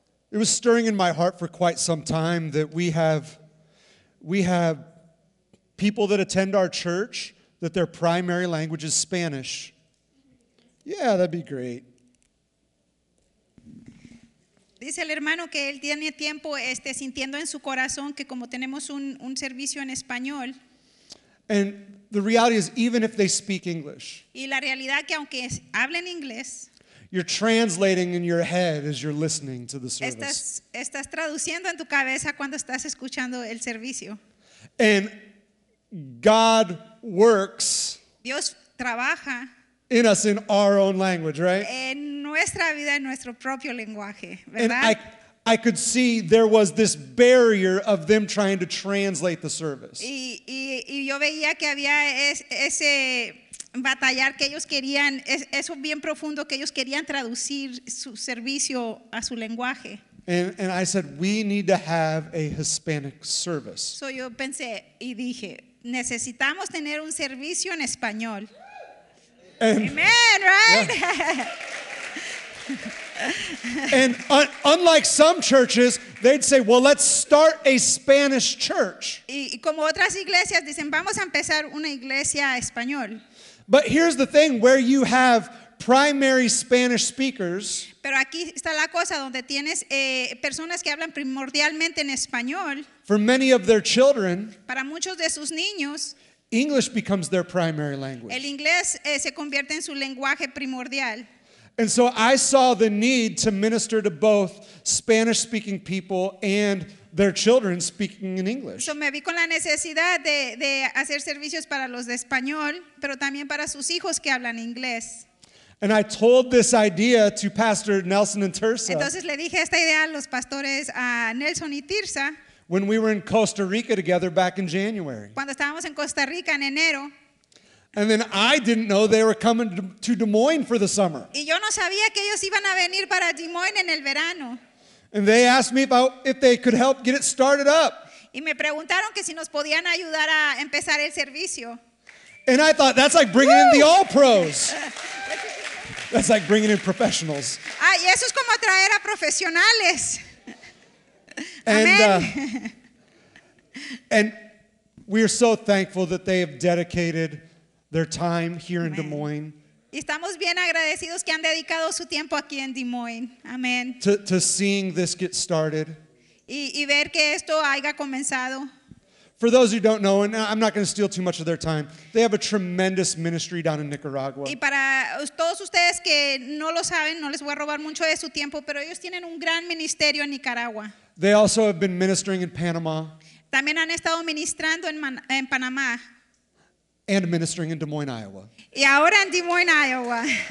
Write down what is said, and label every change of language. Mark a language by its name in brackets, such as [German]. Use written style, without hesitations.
[English] It was stirring in my heart for quite some time that we have people that attend our church that their primary language is Spanish. Yeah, that'd be great. [Spanish] Dice el hermano que él tiene tiempo sintiendo en su corazón que como tenemos un servicio en español. [English] And the reality is, even if they speak English, [Spanish] y la realidad que aunque hablen inglés, [English] you're translating in your head as you're listening to the service. [Spanish] Estás traduciendo en tu cabeza cuando estás escuchando el servicio. [English] And God works. [Spanish] Dios trabaja. [English] In us, in our own language, right? [Spanish] En nuestra vida, en nuestro propio lenguaje, ¿verdad? [English] And I could see there was this barrier of them trying to translate the service. [Spanish] Y yo veía que había ese batallar que ellos querían, eso bien profundo que ellos querían traducir su servicio a su lenguaje. [English] And I said, we need to have a Hispanic service. [Spanish] So yo pensé y dije, necesitamos tener un servicio en español. [English] Amen, right? Yeah. And unlike some churches, they'd say, "Well, let's start a Spanish church." [Spanish] Y como otras iglesias dicen, vamos a empezar una iglesia español. [English] But here's the thing: where you have primary Spanish speakers, [Spanish] pero aquí está la cosa donde tienes personas que hablan primordialmente en español. [English] For many of their children, [Spanish] para muchos de sus niños. [English] English becomes their primary language. [Spanish] El inglés se convierte en su lenguaje primordial. [English] And so I saw the need to minister to both Spanish-speaking people and their children speaking in English. [Spanish] So me vi con la necesidad de hacer servicios para los de español, pero también para sus hijos que hablan inglés. [English] And I told this idea to Pastor Nelson and Tirsa. [Spanish] Entonces le dije esta idea a los pastores a Nelson y Tirsa. [English] When we were in Costa Rica together back in January. [Spanish] Cuando estábamos en Costa Rica en enero. [English] And then I didn't know they were coming to Des Moines for the summer. [Spanish] Y yo no sabía que ellos iban a venir para Des Moines en el verano. [English] And they asked me about if they could help get it started up. [Spanish] Y me preguntaron que si nos podían ayudar a empezar el servicio. [English] And I thought, that's like bringing in the all pros. That's like bringing in professionals. [Spanish] Ah, y eso es como traer a profesionales. [English] And we are so thankful that they have dedicated their time here in Des Moines. [Spanish] Y estamos bien agradecidos que han dedicado su tiempo aquí en Des Moines. [English] Amen. To seeing this get started. [Spanish] Y ver que esto haya comenzado. [English] For those who don't know, and I'm not going to steal too much of their time, they have a tremendous ministry down in Nicaragua. [Spanish] Y para todos ustedes que no lo saben, no les voy a robar mucho de su tiempo, pero ellos tienen un gran ministerio en Nicaragua. [English] They also have been ministering in Panama. [Spanish] También han estado ministrando en Panamá. [English] And ministering in Des Moines, Iowa. [Spanish] Y ahora en Des Moines, Iowa.